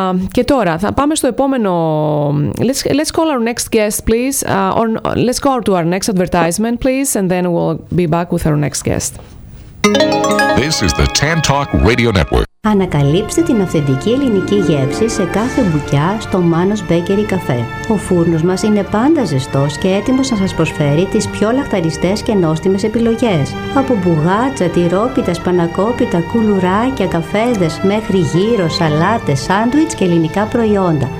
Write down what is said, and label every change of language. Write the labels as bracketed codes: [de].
[el] Και τώρα θα πάμε στο επόμενο. [en] Let's call our next guest, please. Or let's go to our next advertisement, please, and then we'll be back with our next guest. This is the Tantalk Radio Network. [el] Ανακαλύψτε την αυθεντική ελληνική γεύση σε κάθε μπουκιά στο Manos Bakery Cafe. Ο φούρνος μας είναι πάντα ζεστός και έτοιμος να σας προσφέρει τις πιο λαχταριστές και νόστιμες επιλογές. Από μπουγάτσα, τυρόπιτα, σπανακόπιτα, κουλουράκια, καφέδες, μέχρι γύρω, σαλάτες, σάντουιτς και ελληνικά προϊόντα.